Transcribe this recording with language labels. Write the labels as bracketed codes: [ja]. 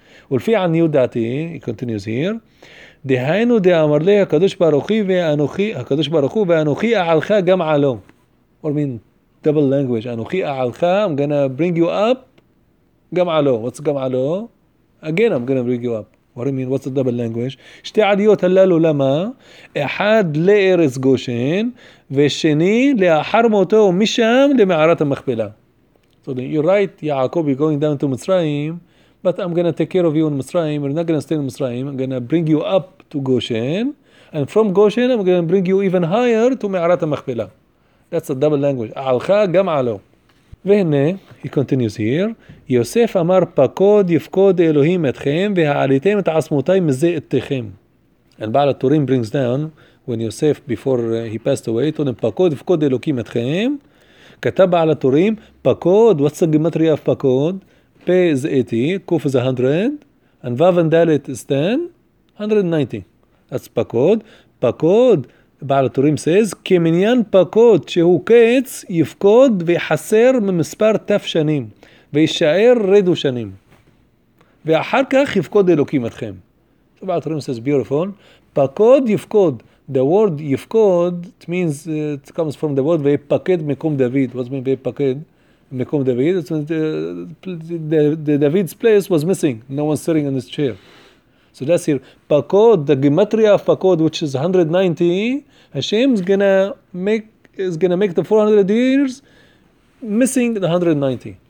[he] ולפי עניות דעתי, [en] קונטיניוס היר, [he] דהיינו דאמר לי הקדוש ברוך הוא ואנוכי, הקדוש ברוך הוא ואנוכי אעלך גם עלו. [en] What I mean, double language, [he] אנוכי אעלך, [en] I'm gonna bring you up, גם עלו. What's גם עלו? Again, I'm gonna bring you up. What I mean, what's the double language? [he] שתי עליות הללו למה? אחד לארץ גושן, ושני לאחר מותו משם למערת המכפלה. [en] So you're right, יעקב, you're going down to מצרים, but I'm going to take care of you in מצרים, we're not going to stay in מצרים, I'm going to bring you up to גושן, and from גושן I'm going to bring you even higher to מערת המכפלה. That's the double language. [he] עלך גם עלו. והנה, [en] he continues here, [he] יוסף אמר פקוד יפקוד אלוהים אתכם והעליתם את עצמותי מזה אתכם. [en] And בעל התורים brings down, when יוסף, before he passed away, told him, [he] פקוד יפקוד אלוהים אתכם, כתב בעל התורים, [en] פקוד, what's the gematria of פקוד? P is 80, Q is 100, and Vav and Dalet is 10, 190. That's פקוד. [he] פקוד, [en] בעל התורים says, [he] כמניין פקוד שהוא קץ, יפקוד ויחסר ממספר תף שנים, וישאר רדו שנים. ואחר כך יפקוד אלוקים אתכם. [en] So, בעל התורים says, beautiful. פקוד יפקוד. The word יפקוד, it means, it comes from the word, [he] ויפקד מקום דוד. [en] What's mean [he] ויפקד מקום דוד? [en] It's, the David's place was missing. No one's sitting in his chair. So that's here, Pakod, the gematria of Pakod, which is 190, Hashem is going to make the 400 years missing the 190.